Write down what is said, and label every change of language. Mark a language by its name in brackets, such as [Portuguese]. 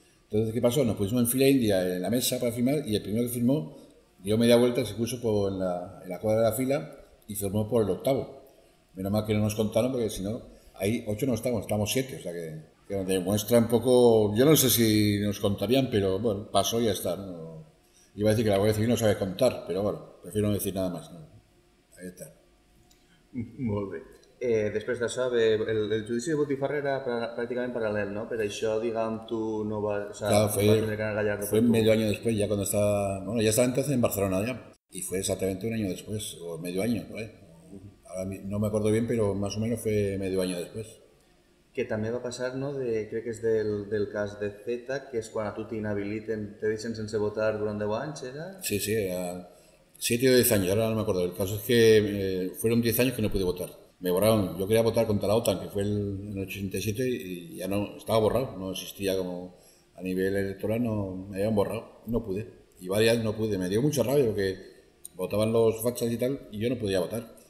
[Spanish] Entonces, ¿qué pasó? Nos pusimos en fila india en la mesa para firmar y el primero que firmó dio media vuelta, se puso en la cuadra de la fila y firmó por el octavo. Menos mal que no nos contaron porque si no, ahí 8 no estamos 7, o sea que demuestra un poco, yo no sé si nos contarían, pero bueno, pasó y ya está, ¿no? Iba a decir que la Guardia Civil no sabe contar, pero bueno, prefiero no decir nada más, ¿no? Ahí está. [Catalan] Molt bé. Després d'això, bé, el judici de Botifarra era pràcticament paral·lel, no? Per això, diguem, tu no vas... [Spanish] O sea, claro, [Catalan] no vas tener que anar a Gallardo. [Spanish] Fue medio año después, ya cuando estaba... Bueno, ya estaba entonces en Barcelona, ya. Y fue exactamente un año después, o medio año, ¿no? Ahora no me acuerdo bien, pero más o menos fue medio año después. [Catalan] Que també va passar, no?, crec que és del cas de Zeta, que és quan a tu t'inhabiliten, te deixen sense votar durant 10 anys, era? Sí, sí, era 7 o 10 anys, ara [Spanish] no me acuerdo. El caso es que fueron 10 años que no pude votar. Me borraron, yo quería votar contra la OTAN, que fue en el 87, y ya no, estaba borrado, no existía como a nivel electoral, no, me habían borrado, no pude. Y varias no pude, me dio mucha rabia porque votaban los fachas y tal, y yo no podía votar.